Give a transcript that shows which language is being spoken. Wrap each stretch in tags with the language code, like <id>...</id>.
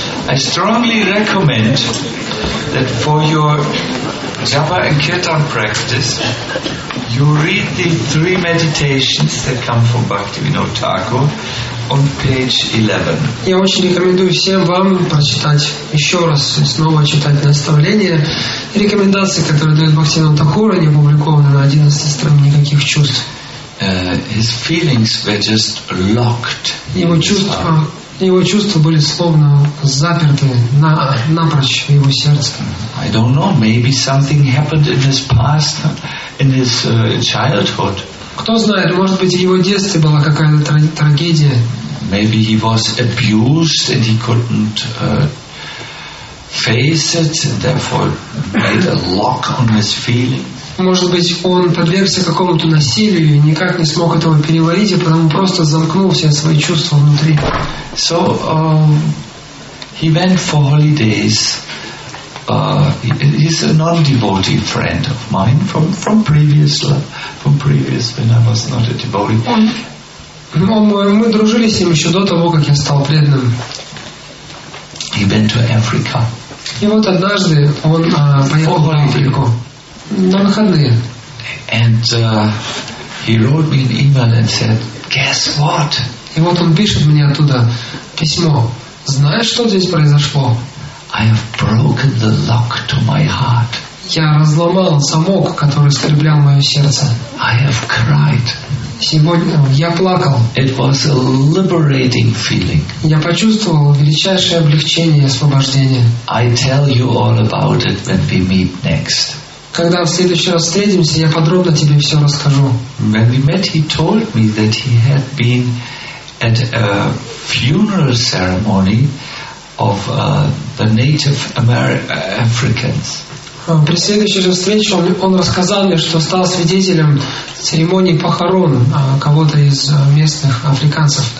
<en>I strongly recommend that for your Japa and Kirtan practice, you read the three meditations that come from Bhaktivinoda Thakur on page 11.</en> <ru>Я очень рекомендую всем вам прочитать еще раз и снова читать наставления и рекомендации, которые дает Бхактивинода Тхакура, они опубликованы на 11 страницах никаких чувств.</ru> <en>His feelings were just locked.</en> <ru>Его чувства были словно заперты напрочь в его сердце.</ru> <en>I don't know, maybe something happened in his past, in his childhood.</en> <ru>Кто знает, может быть, в его детстве была какая-то трагедия.</ru> <en>Maybe he was abused and he couldn't face it, and therefore made a lock on his feelings.</en> <ru>Может быть, он подвергся какому-то насилию и никак не смог этого переварить, и потому просто замкнул все свои чувства внутри.</ru> <en>So, he went for holidays. He's a non-devotee friend of mine from previous when I was not a devotee.</en> <ru>Мы дружили с ним еще до того, как я стал преданным.</ru> <en>He went to Africa.</en> <ru>И вот однажды он поехал в Африку. На выходные.</ru> <en>And he wrote me an email and said, "Guess what?"</en> <ru>И вот он пишет мне оттуда письмо. Знаешь, что здесь произошло?</ru> <en>I have broken the lock to my heart.</en> <ru>Я разломал замок, который скреплял мое сердце.</ru> <en>I have cried.</en> <ru>Сегодня я плакал.</ru> <en>It was a liberating feeling.</en> <ru>Я почувствовал величайшее облегчение и освобождение.</ru> <en>I tell you all about it when we meet next.</en> <ru>Когда в следующий раз встретимся, я подробно тебе все расскажу.</ru> <en>When we met, he told me that he had been at a funeral ceremony of the Native Africans.</en> <ru>При следующей же встрече он рассказал мне, что стал свидетелем церемонии похорон кого-то из местных африканцев.</ru>